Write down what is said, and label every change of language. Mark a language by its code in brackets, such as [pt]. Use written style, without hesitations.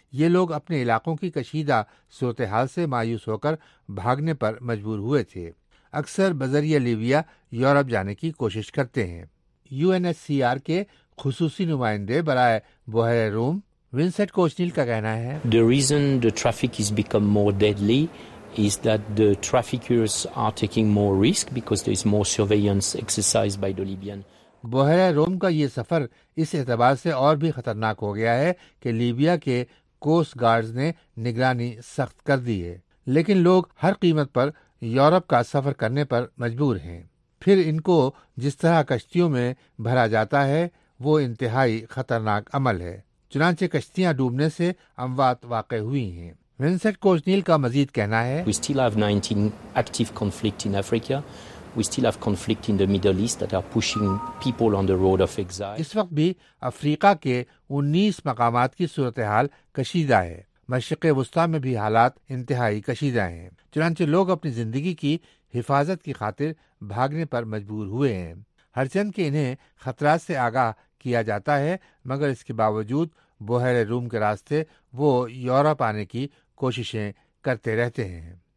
[ur] یہ لوگ اپنے علاقوں کی کشیدہ صورتحال سے مایوس ہو کر بھاگنے پر مجبور ہوئے تھے. اکثر بذریعہ لیبیا یورپ جانے کی کوشش کرتے ہیں. UNHCR کے خصوصی نمائندے برائے بحر روم ونسٹ کوچنیل کا کہنا ہے [en] The reason the traffic has become more deadly is that the traffickers are taking more risk because there is more surveillance exercised by the Libyan. [ur] بحر روم کا یہ سفر اس اعتبار سے اور بھی خطرناک ہو گیا ہے کہ لیبیا کے کوسٹ گارڈز نے نگرانی سخت کر دی ہے, لیکن لوگ ہر قیمت پر یورپ کا سفر کرنے پر مجبور ہیں. پھر ان کو جس طرح کشتیوں میں بھرا جاتا ہے وہ انتہائی خطرناک عمل ہے, چنانچہ کشتیاں ڈوبنے سے اموات واقع ہوئی ہیں. Vincent Kochnil کا مزید کہنا ہے [en] We still have 19 active conflict in Africa. We still have conflict in the Middle East that are pushing people on the road of exile. [ur] اس وقت بھی افریقہ کے 19 مقامات کی صورتحال کشیدہ ہے. مشرق وسطی میں بھی حالات انتہائی کشیدہ ہیں, چنانچہ لوگ اپنی زندگی کی حفاظت کی خاطر بھاگنے پر مجبور ہوئے ہیں. ہر چند کہ انہیں خطرات سے آگاہ کیا جاتا ہے, مگر اس کے باوجود بحر روم کے راستے وہ یورپ آنے کی کوششیں کرتے رہتے ہیں.